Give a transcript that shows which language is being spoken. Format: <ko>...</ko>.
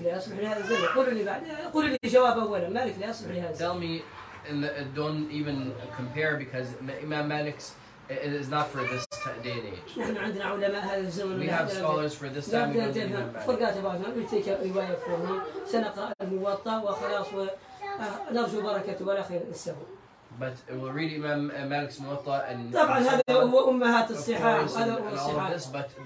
<en>Right. Tell me, and don't even compare because Imam Malik's It is not for this day and age. We have scholars for this time. Forget about them. We take a riwayah for them.</en> <ar>سنقرأ الموطا وخلاص ونرجو بركة ولا خير السبب.</ar> <en>But we'll read Imam Malik's Muwatta and.</en> <ar>طبعا هذا هو أمهات الصحاح.</ar>